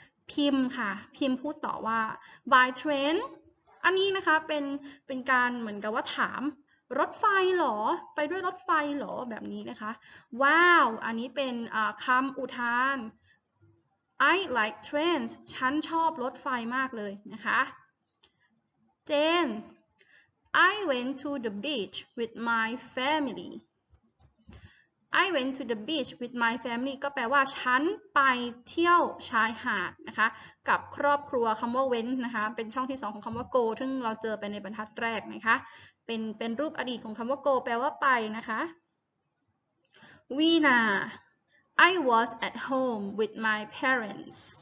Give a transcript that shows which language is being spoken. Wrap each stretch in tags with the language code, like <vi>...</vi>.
<th>พิมพ์ค่ะพิมพ์พูดต่อว่า</th> <en>by train</en> <th>อันนี้นะคะเป็นการเหมือนกับว่าถามรถไฟหรอไปด้วยรถไฟหรอแบบนี้นะคะว้าวอันนี้เป็นคำอุทาน</th> <en>I like trains</en> <th>ฉันชอบรถไฟมากเลยนะคะ Jane</th> <en>I went to the beach with my family. I went to the beach with my family</en> <th>ก็แปลว่าฉันไปเที่ยวชายหาดนะคะกับครอบครัวคำว่า went นะคะเป็นช่องที่สองของคำว่า go ซึ่งเราเจอไปในบรรทัดแรกนะคะเป็นรูปอดีตของคำว่า go แปลว่าไปนะคะวีนา</th> <en>I was at home with my parents.</en>